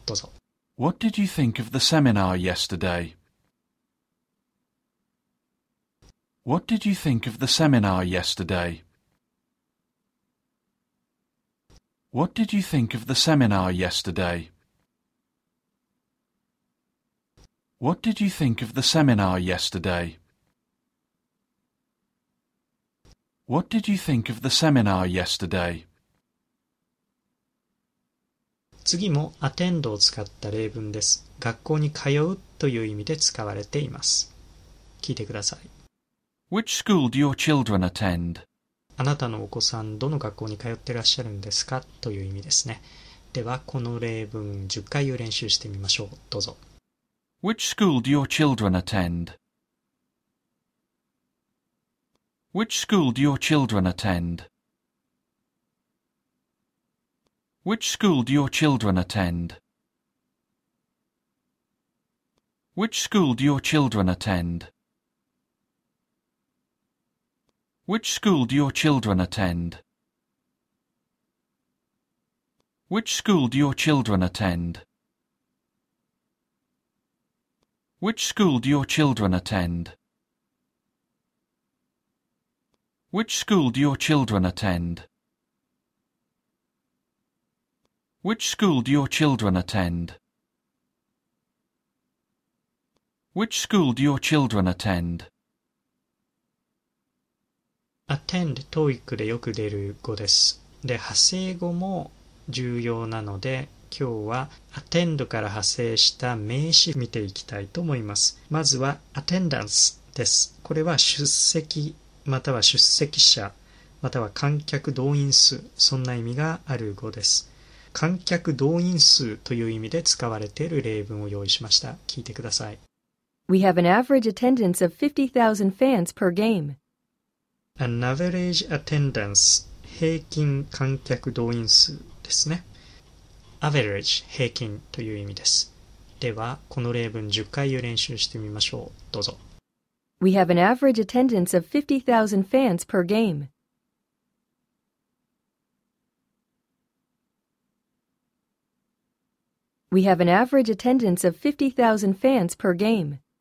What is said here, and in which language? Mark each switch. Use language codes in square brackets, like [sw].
[ja] どうぞ。 [en] What did you think of the seminar yesterday? What did you think of the seminar yesterday? What did you think of the seminar yesterday? What did you think of the seminar yesterday? What did you think of the seminar yesterday? [ja] 次もアテンドを使った例文です。学校に通うという意味で使われています。聞いてください。 [en] Which school do your children attend? [ja] あなたのお子さん、どの学校に通ってらっしゃるんですか？という意味ですね。では、この例文10回練習してみましょう。どうぞ。 [en] Which school do your children attend? Which school do your children attend? Which school do your children attend? Which school do your children attend? Which school do your children attend? Which school do your children attend? Which school do your children attend? Which school do your children attend? Which school do your children attend? Which school do your children attend? [ja] Attend TOEIC でよく出る語です。で、派生語も重要なので、今日は attend から派生した名詞見ていきたいと思います。まずは attendance です。これは出席または出席者または観客動員数、そんな意味がある語です。観客動員数という意味で使われている例文を用意しました。聞いてください。 [en] We have an average attendance of 50,000 fans per game. An average attendance, [ja] 平均観客動員数ですね。 Average, 平均という意味です。では、この例文10回を練習してみましょう。どうぞ。 [en] We have an average attendance of 50,000 fans per game. We have an average attendance of 50,000 fans per game.